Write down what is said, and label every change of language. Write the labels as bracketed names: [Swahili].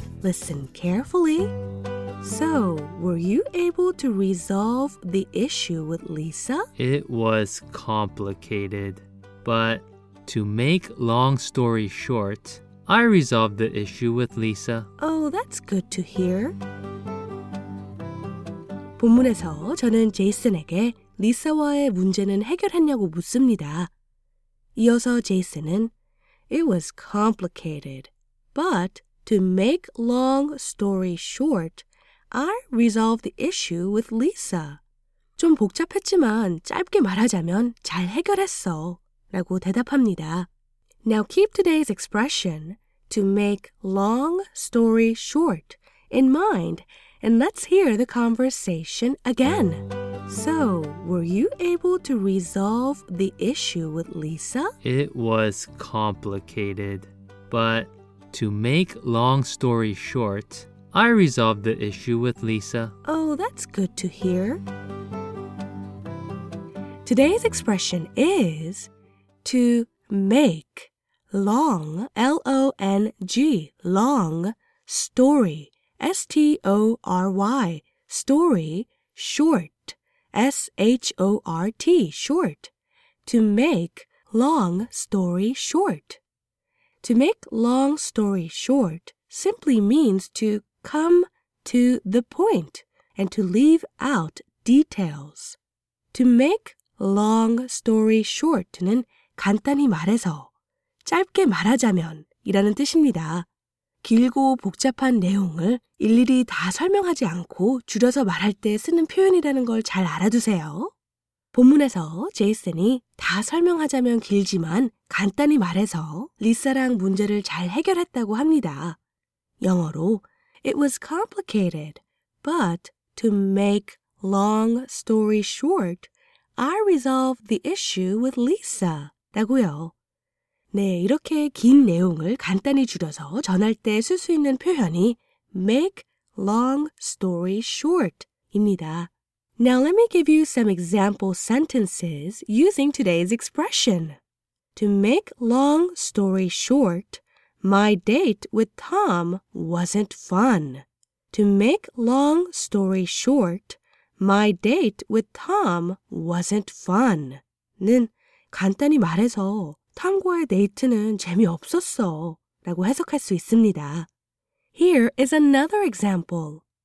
[English] Listen carefully. So, were you able to resolve the issue with Lisa? It was complicated. But to make long story short, I resolved the issue with Lisa. Oh, that's good to hear. [Korean] 본문에서 저는 제이슨에게 리사와의 문제는 해결했냐고 묻습니다. 이어서 제이슨은 [English] It was complicated, but to make long story short, I resolved the issue with Lisa. [Korean] 좀 복잡했지만 짧게 말하자면 잘 해결했어 라고 대답합니다. [English] Now keep today's expression, to make long story short, in mind, and let's hear the conversation again. So, were you able to resolve the issue with Lisa? It was complicated, but to make long story short, I resolved the issue with Lisa. Oh, that's good to hear. Today's expression is to make long, L-O-N-G, long story, S-T-O-R-Y, story short. S-H-O-R-T, short. To make long story short. To make long story short simply means to come to the point and to leave out details. To make long story short [Korean] 는 간단히 말해서, 짧게 말하자면 이라는 뜻입니다. 길고 복잡한 내용을 일일이 다 설명하지 않고 줄여서 말할 때 쓰는 표현이라는 걸 잘 알아두세요. 본문에서 제이슨이 다 설명하자면 길지만 간단히 말해서 리사랑 문제를 잘 해결했다고 합니다. 영어로 [English] It was complicated, but to make long story short, I resolved the issue with Lisa. [Korean] 라고요. 네, 이렇게 긴 내용을 간단히 줄여서 전할 때 쓸 수 있는 표현이 [English] make long story short [Korean] 입니다. [English] Now let me give you some example sentences using today's expression. To make long story short, my date with Tom wasn't fun. To make long story short, my date with Tom wasn't fun. [Korean] 는 간단히 말해서 탐과의 데이트는 재미없었어 라고 해석할 수 있습니다. [English] Here is another example.